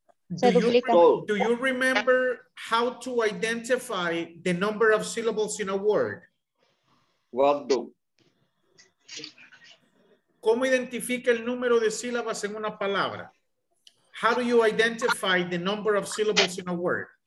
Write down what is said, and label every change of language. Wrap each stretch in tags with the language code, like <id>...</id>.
<en>Do you remember how to identify the number of syllables in a word? What do?</en> <es>¿Cómo identifica el número de sílabas en una palabra?</es> <en>How do you identify the number of syllables in a word?</en>